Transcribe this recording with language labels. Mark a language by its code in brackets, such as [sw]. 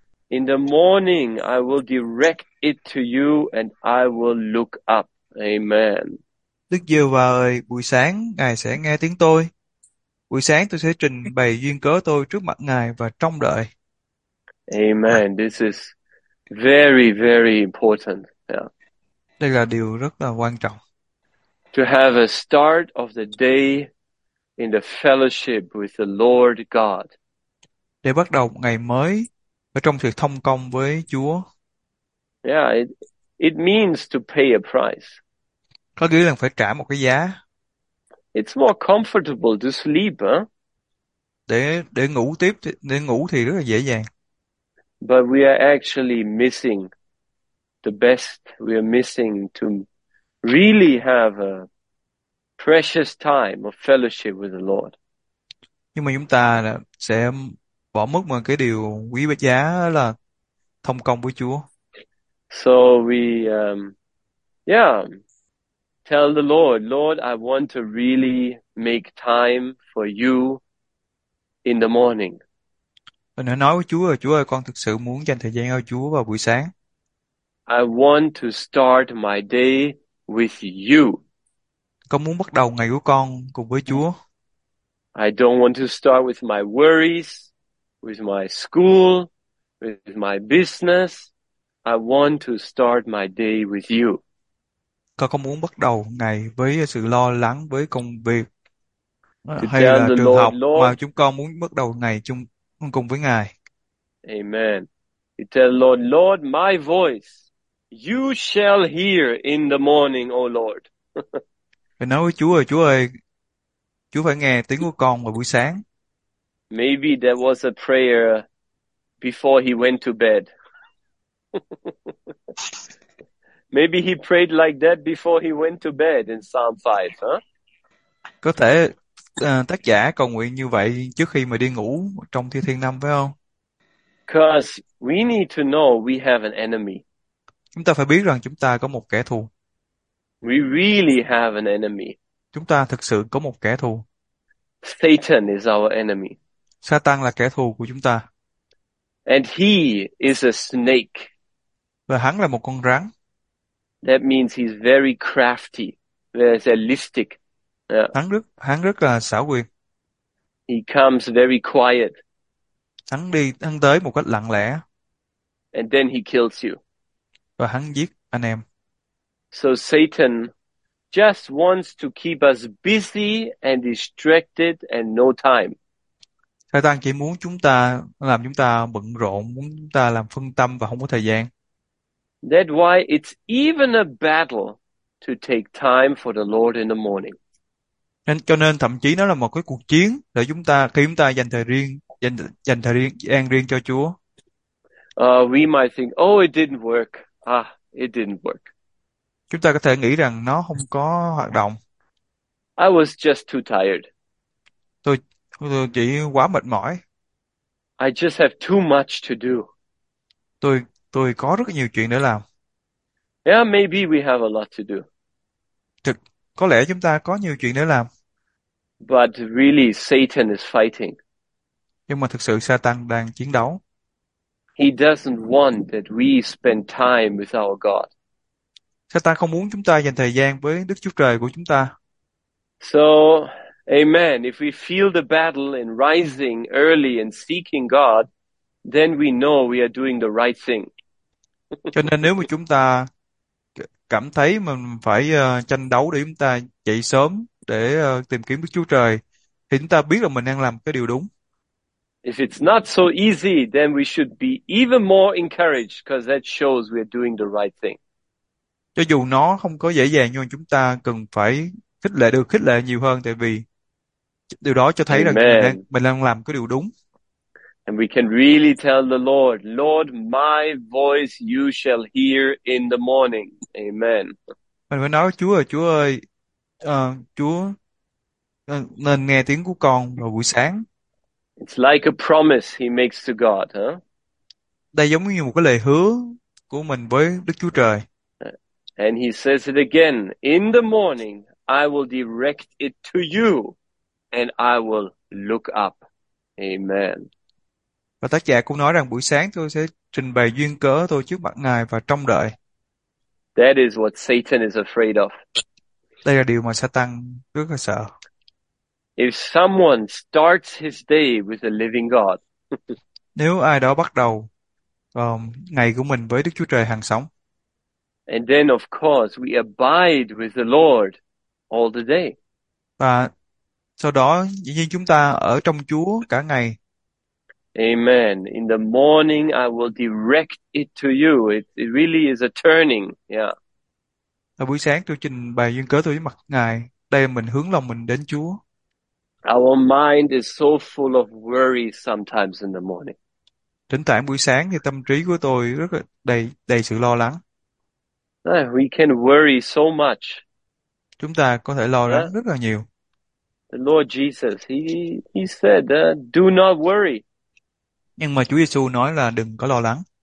[en] In the morning, I will direct it to you and I will look up. Amen. [vi] Đức Giê-hô-va ơi, buổi sáng Ngài sẽ nghe tiếng tôi. Buổi sáng tôi sẽ trình bày duyên cớ tôi trước mặt Ngài và trông đợi. [en] Amen. This is very, very important. Yeah. [vi] Đây là điều rất là quan trọng. [en] To have a start of the day in the fellowship with the Lord God. [vi] Để bắt đầu ngày mới ở trong sự thông công với Chúa. [en] Yeah, it means to pay a price. [vi] Có nghĩa là phải trả một cái giá. [en] It's more comfortable to sleep, huh? [vi] Để ngủ thì rất là dễ dàng. [en] But we are actually missing the best. We are missing to really have a precious time of fellowship with the Lord. [vi] Nhưng mà chúng ta sẽ bỏ mất một cái điều quý giá là thông công với Chúa. [en] So we, tell the Lord, Lord, I want to really make time for you in the morning. [vi] Mình đã nói với Chúa rồi, Chúa ơi, con thực sự muốn dành thời gian cho Chúa vào buổi sáng. [en] I want to start my day with you. [vi] Con muốn bắt đầu ngày của con cùng với Chúa. [en] I don't want to start with my worries, with my school, with my business. I want to start my day with you. [vi] Con có muốn bắt đầu ngày với sự lo lắng với công việc [en] To [vi] hay [en] tell [vi] là [en] the [vi] trường [en] Lord, [vi] học mà [en] Lord. [vi] chúng con muốn bắt đầu ngày chung cùng với Ngài. [en] Amen. You tell the Lord, Lord, my voice, you shall hear in the morning, O Lord. [vi] Mình nói với Chúa ơi, Chúa ơi, Chúa phải nghe tiếng của con vào buổi sáng. [en] Maybe that was a prayer before he went to bed. Maybe he prayed like that before he went to bed in Psalm 5, huh? [vi] Có thể tác giả cầu nguyện như vậy trước khi mà đi ngủ trong Thi Thiên 5 phải không? [en] Because we need to know we have an enemy. [vi] Chúng ta phải biết rằng chúng ta có một kẻ thù. [en] We really have an enemy. [vi] Chúng ta thực sự có một kẻ thù. [en] Satan is our enemy. [vi] Satan là kẻ thù của chúng ta. [en] And he is a snake. [vi] Và hắn là một con rắn. [en] That means he's very crafty, very realistic. Yeah. [vi] Hắn rất là xảo quyệt. [en] He comes very quiet. [vi] Hắn tới một cách lặng lẽ. [en] And then he kills you. [vi] Và hắn giết anh em. [en] So Satan just wants to keep us busy and distracted and no time. [vi] Satan chỉ muốn chúng ta làm chúng ta bận rộn, muốn chúng ta làm phân tâm và không có thời gian. [en] That's why it's even a battle to take time for the Lord in the morning. [vi] Cho nên thậm chí nó là một cái cuộc chiến để chúng ta khi chúng ta dành thời gian riêng cho Chúa. [en] We might think, oh, it didn't work. Ah, it didn't work. [vi] Chúng ta có thể nghĩ rằng nó không có hoạt động. [en] I was just too tired. [vi] Tôi chỉ quá mệt mỏi. [en] I just have too much to do. [vi] Tôi có rất nhiều chuyện để làm. [en] Yeah, maybe we have a lot to do. [vi] Thực có lẽ chúng ta có nhiều chuyện để làm. [en] But really, Satan is fighting. [vi] Nhưng mà thực sự Satan đang chiến đấu. [en] He doesn't want that we spend time with our God. [vi] Satan không muốn chúng ta dành thời gian với Đức Chúa Trời của chúng ta. [en] So, amen. If we feel the battle in rising early and seeking God, then we know we are doing the right thing. [vi] Cho nên nếu mà chúng ta cảm thấy mình phải tranh đấu để chúng ta dậy sớm để tìm kiếm Đức Chúa Trời, thì chúng ta biết là mình đang làm cái điều đúng. [en] If it's not so easy, then we should be even more encouraged because that shows we are doing the right thing. [vi] Cho dù nó không có dễ dàng nhưng mà chúng ta cần phải được khích lệ nhiều hơn tại vì điều đó cho thấy rằng [en] Amen. [vi] mình đang làm cái điều đúng. [en] And we can really tell the Lord, Lord, my voice you shall hear in the morning. Amen. [vi] Mình phải nói với Chúa ơi, Chúa ơi, Chúa nên nghe tiếng của con vào buổi sáng. [en] It's like a promise he makes to God, huh? [vi] Đây giống như một cái lời hứa của mình với Đức Chúa Trời. [en] And he says it again, in the morning I will direct it to you and I will look up. Amen. [vi] Và tác giả cũng nói rằng buổi sáng tôi sẽ trình bày duyên cớ tôi trước mặt Ngài và trông đợi. [en] That is what Satan is afraid of. [vi] Đây là điều mà Satan rất là sợ. [en] If someone starts his day with a living God. [vi] Nếu ai đó bắt đầu ngày của mình với Đức Chúa Trời hàng sống. [en] And then of course we abide with the Lord all the day. [vi] Và sau đó dĩ nhiên chúng ta ở trong Chúa cả ngày. [en] Amen. In the morning I will direct it to you. It really is a turning. Yeah. [vi] Và buổi sáng tôi trình bày duyên cớ tôi với mặt Ngài. Đây mình hướng lòng mình đến Chúa. [en] Our mind is so full of worry sometimes in the morning. [vi] Tỉnh tại buổi sáng thì tâm trí của tôi rất là đầy đầy sự lo lắng. [en] We can worry so much. [vi] Chúng ta có thể lo Huh? lắng rất là nhiều. [en] The Lord Jesus, he said, do not worry. [vi] Nhưng mà Chúa Giêsu nói là đừng có lo lắng.